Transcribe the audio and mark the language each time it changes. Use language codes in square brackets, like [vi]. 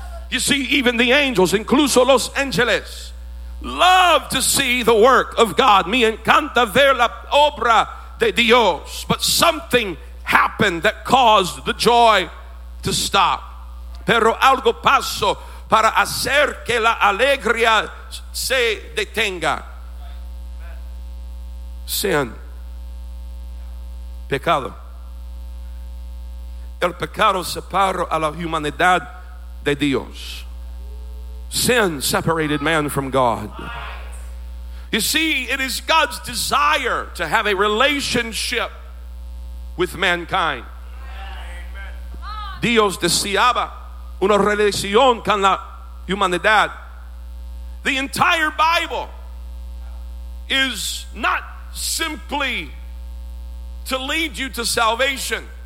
[en] You see, even the angels, [es] incluso los ángeles, [en] love to see the work of God. [es] Me encanta ver la obra de Dios. [en] But something happened that caused the joy to stop. [es] Pero algo pasó para hacer que la alegría se detenga. [en] Sin. Pecado. [es] El pecado separó a la humanidad de Dios. [en] Sin separated man from God. You see, it is God's desire to have a relationship with mankind. [es] Dios deseaba una relación con la humanidad. [en] The entire Bible is not simply to lead you to salvation.